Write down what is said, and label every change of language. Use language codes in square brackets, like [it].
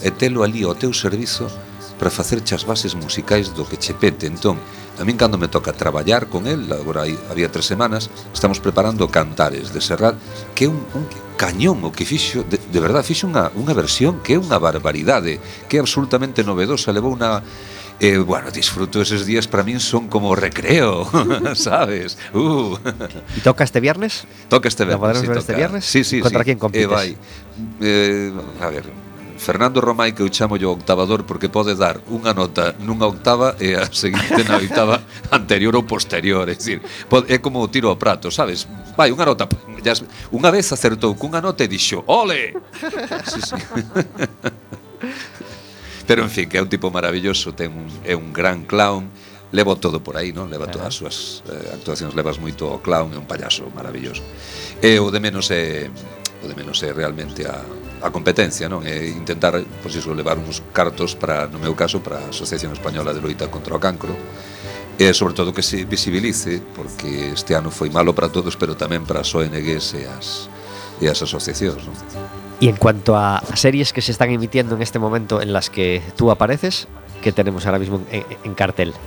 [gl] E telo ali ao teu servizo para facer chas bases musicais do que che pete. Entón, a min cando me toca traballar con él, agora había 3 semanas, estamos preparando Cantares de Serrat, que é un cañón o que fixo, de verdad, fixo unha versión que é unha barbaridade, que é absolutamente novedosa, levou unha... [es] bueno, disfruto esos días, para min son como recreo, ¿sabes? ¿Y toca este viernes? Toca este viernes. ¿Lo podremos ver este viernes? Sí, sí, ¿contra sí quién compites? [gl] Vai. A ver... Fernando Romay, que eu chamo yo octavador, porque pode dar unha nota nunha octava e a seguinte na oitava anterior ou posterior. É como o tiro ao prato, sabes? Vai, unha nota. Unha vez acertou cunha nota e dixo, ole! Sí, sí. Pero en fin, que é un tipo maravilloso, ten un, é un gran clown. Leva todo por aí, non? Leva todas as súas actuacións, levas moito o clown, é un payaso maravilloso. E o de menos é, o de menos é realmente a competencia, non? É intentar, pois iso, levar uns cartos para, no meu caso, para a Asociación Española de Loita contra o Cancro. E sobre todo que se visibilice, porque este ano foi malo para todos, pero tamén para as ONGs e as asociacións, non? [es] E en cuanto a series que se están emitiendo en este momento en las que tú apareces, que tenemos ahora mismo en cartel?